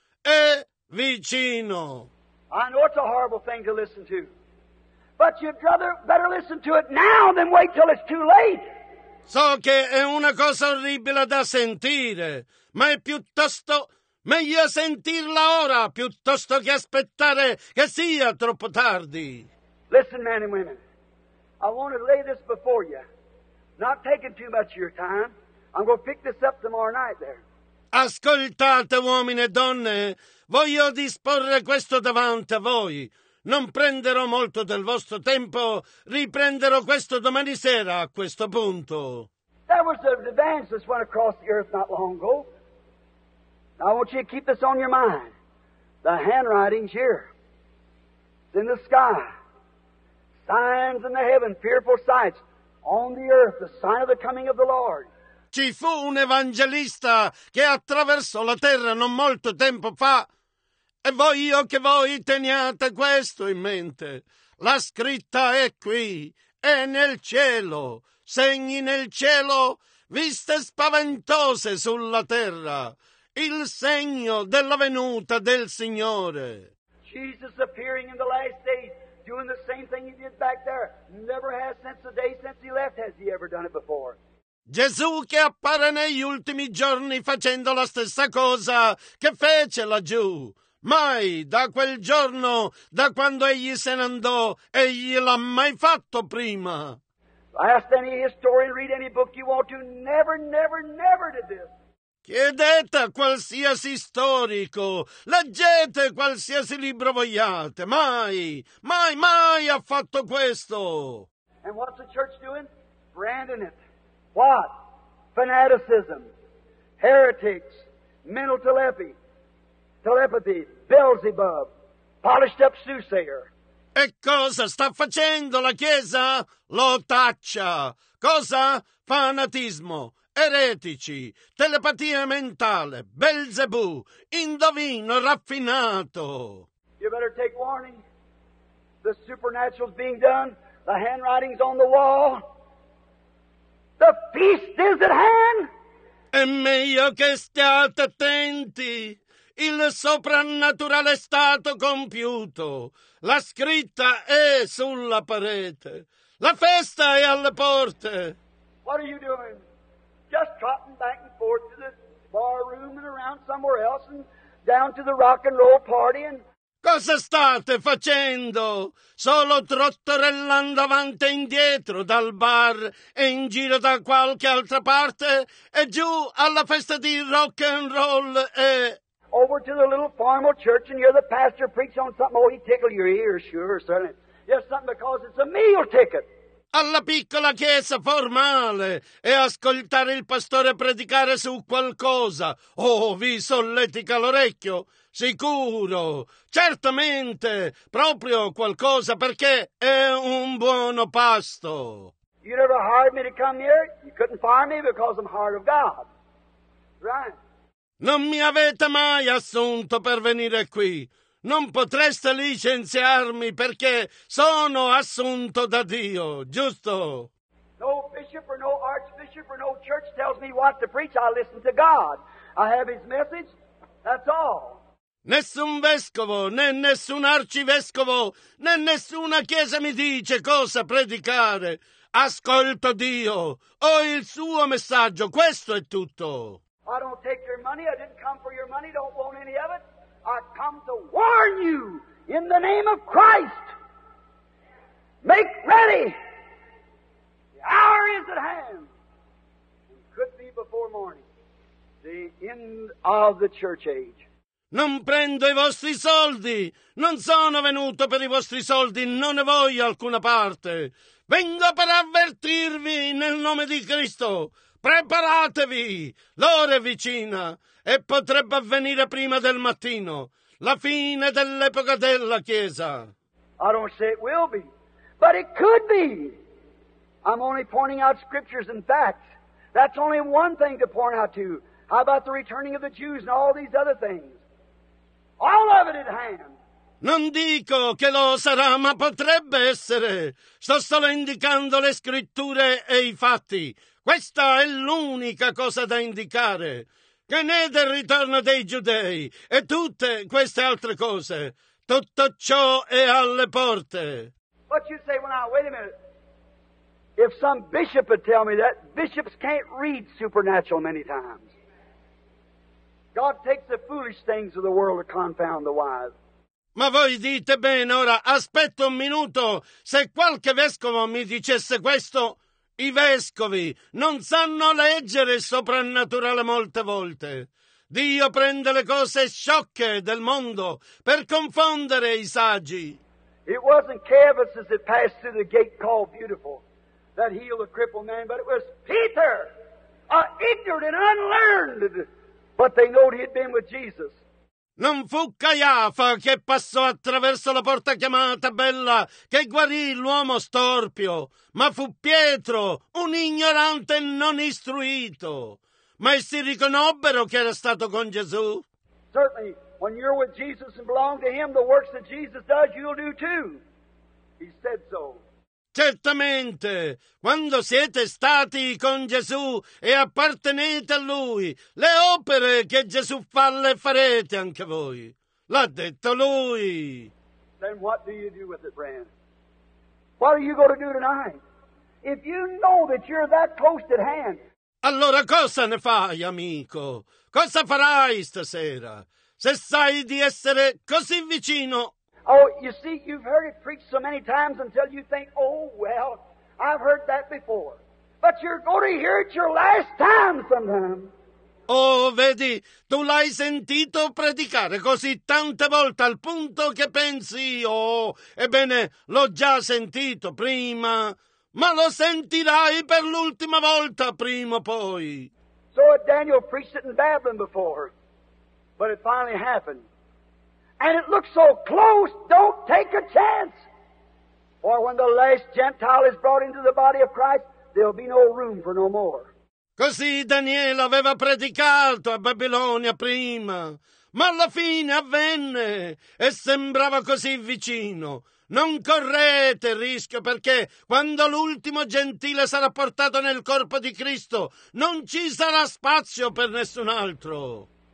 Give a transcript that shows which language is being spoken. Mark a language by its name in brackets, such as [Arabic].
[Italian] È vicino. [English] I know it's a horrible thing to listen to, but you'd rather better listen to it now than wait till it's too late. [Italian] So che è una cosa orribile da sentire, ma è piuttosto... meglio sentirla ora piuttosto che aspettare che sia troppo tardi. [English] Listen, men and women, I want to lay this before you. Not taking too much of your time. I'm going to pick this up tomorrow night there. [Italian] Ascoltate, uomini e donne, voglio disporre questo davanti a voi. Non prenderò molto del vostro tempo. Riprenderò questo domani sera a questo punto. [English] That was the evangelist went across the earth not long ago. I want you to keep this on your mind. The handwriting's here. It's in the sky. Signs in the heaven, fearful sights. On the earth, the sign of the coming of the Lord. [Italian] Ci fu un evangelista che attraversò la terra non molto tempo fa. E voglio che voi teniate questo in mente. La scritta è qui. È nel cielo. Segni nel cielo. Viste spaventose sulla terra. Il segno della venuta del Signore. [English] Jesus appearing in the last days, doing the same thing he did back there. Never has since the day since he left has he ever done it before. [Italian] Gesù che appare negli ultimi giorni facendo la stessa cosa che fece laggiù. Mai da quel giorno, da quando egli se ne andò, egli l'ha mai fatto prima. [English] Ask any historian, read any book you want to, never, never, never did this. [Italian] Chiedete a qualsiasi storico, leggete qualsiasi libro vogliate, mai, mai, mai ha fatto questo. [English] And what's the church doing? Branding it. What? Fanaticism, heretics, mental telepathy, Beelzebub, polished up soothsayer. [Italian] E cosa sta facendo la Chiesa? Lo taccia. Cosa? Fanatismo. Eretici, telepatia mentale, Belzebù, indovino raffinato. [English] You better take warning. The supernatural's being done. The handwriting's on the wall. The feast is at hand. [Italian] È meglio che stiate attenti. Il soprannaturale è stato compiuto. La scritta è sulla parete. La festa è alle porte. [English] What are you doing? Just trotting back and forth to the bar room and around somewhere else and down to the rock and roll party and... [Italian] Cosa state facendo? Solo trottorellando avanti e indietro dal bar e in giro da qualche altra parte e giù alla festa di rock and roll e... [English] over to the little formal church and hear the pastor preach on something. Oh, he tickle your ear, sure, certainly. Yes, something because it's a meal ticket. [Italian] Alla piccola chiesa formale e ascoltare il pastore predicare su qualcosa. Oh, vi solletica l'orecchio? Sicuro, certamente, proprio qualcosa perché è un buono pasto. [English] You never hired me to come here? You couldn't fire me because I'm hired of God. Right? [Italian] Non mi avete mai assunto per venire qui. Non potreste licenziarmi perché sono assunto da Dio, giusto? [English] No bishop or no archbishop or no church tells me what to preach. I listen to God. I have his message. That's all. [Italian] Nessun vescovo, né nessun arcivescovo, né nessuna chiesa mi dice cosa predicare. Ascolto Dio. Ho il suo messaggio. Questo è tutto. [English] I don't take your money. I didn't come for your money. Don't want any of it. I come to warn you in the name of Christ. Make ready. The hour is at hand. It could be before morning. The end of the church age. [Italian] Non prendo i vostri soldi. Non sono venuto per i vostri soldi. Non ne voglio alcuna parte. Vengo per avvertirvi nel nome di Cristo. Preparatevi. L'ora è vicina. E potrebbe avvenire prima del mattino, la fine dell'epoca della Chiesa. [English] I don't say it will be, but it could be. I'm only pointing out scriptures and facts. That's only one thing to point out to. How about the returning of the Jews and all these other things? All of it at hand. [Italian] Non dico che lo sarà, ma potrebbe essere. Sto solo indicando le scritture e i fatti. Questa è l'unica cosa da indicare. Che ne è del ritorno dei giudei e tutte queste altre cose? Tutto ciò è alle porte. [English] But you say, well, now, wait a minute. If some bishop would tell me that, bishops can't read supernatural many times. God takes the foolish things of the world to confound the wise. [Italian] Ma voi dite bene, ora aspetto un minuto. Se qualche vescovo mi dicesse questo... I vescovi non sanno leggere il soprannaturale molte volte. Dio prende le cose sciocche del mondo per confondere i saggi. [English] It wasn't Caiaphas that passed through the gate called Beautiful that healed the crippled man, but it was Peter, ignorant and unlearned, but they knew he had been with Jesus. [Italian] Non fu Caiafa che passò attraverso la porta chiamata Bella che guarì l'uomo storpio, ma fu Pietro, un ignorante non istruito. Ma essi riconobbero che era stato con Gesù? [English] Certainly, when you're with Jesus and belong to him, the works that Jesus does, you'll do too. He said so. [Italian] Certamente, quando siete stati con Gesù e appartenete a Lui, le opere che Gesù fa le farete anche voi. L'ha detto Lui. [English] Then what do you do with it, friend? What are you going to do tonight? If you know that you're that close at hand. [Italian] Allora cosa ne fai, amico? Cosa farai stasera? Se sai di essere così vicino... [English] Oh, you see, you've heard it preached so many times until you think, oh, well, I've heard that before. But you're going to hear it your last time sometime. [Italian] Oh, vedi, tu l'hai sentito predicare così tante volte al punto che pensi, oh, ebbene, l'ho già sentito prima, ma lo sentirai per l'ultima volta prima o poi. [English] So Daniel preached it in Babylon before, but it finally happened. And it looks so close, don't take a chance. For when the last Gentile is brought into the body of Christ, there'll be no room for no more. [Italian] Così Daniele aveva predicato a Babilonia prima, ma alla fine avvenne e sembrava così vicino. Non correte il rischio perché quando l'ultimo Gentile sarà portato nel corpo di Cristo, non ci sarà spazio per nessun altro.